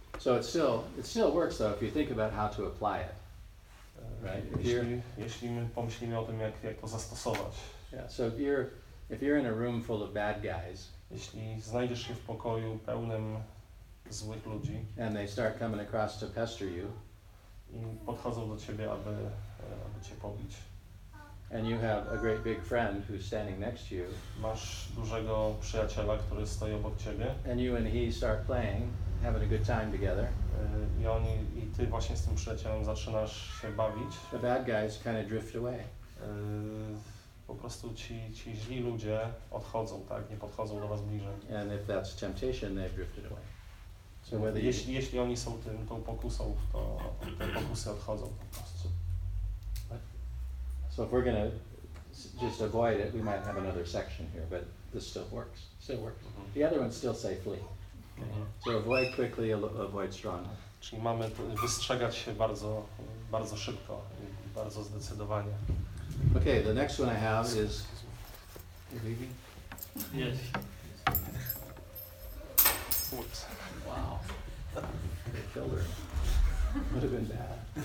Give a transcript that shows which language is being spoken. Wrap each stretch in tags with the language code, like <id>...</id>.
<en>So it still works though if you think about how to apply it. Right.</en> <pl>Jeśli my pomyślimy o tym, jak to zastosować.</pl> <en>Yeah. So if you're in a room full of bad guys.</en> <pl>Jeśli znajdziesz się w pokoju pełnym złych ludzi.</pl> <en>And they start coming across to pester you.</en> <pl>I podchodzą do ciebie, aby cię pobić.</pl> <en>And you have a great big friend who's standing next to you.</en> <pl>Masz dużego przyjaciela, który stoi obok ciebie.</pl> <en>And you and he start playing, having a good time together.</en> <pl>I ty właśnie z tym przyjacielem zaczynasz się bawić.</pl> <en>The bad guys kind of drift away.</en> <pl>Po prostu ci źli ludzie odchodzą, tak, nie podchodzą do was bliżej.</pl> <en>And if that's temptation, they've drifted away. So whether</en> <pl>jeśli oni są tą pokusą, to te pokusy odchodzą po prostu.</pl> <en>So if we're gonna just avoid it, we might have another section here, but this still works. Mm-hmm. The other ones still say flee. Okay. Mm-hmm. So avoid quickly, avoid strongly.</en> <pl>Czyli mamy wystrzegać się bardzo, bardzo szybko, bardzo zdecydowanie.</pl> <en>Okay, the next one I have is. Maybe? Yes. Oops. Wow. They killed her. Would have been bad.</en>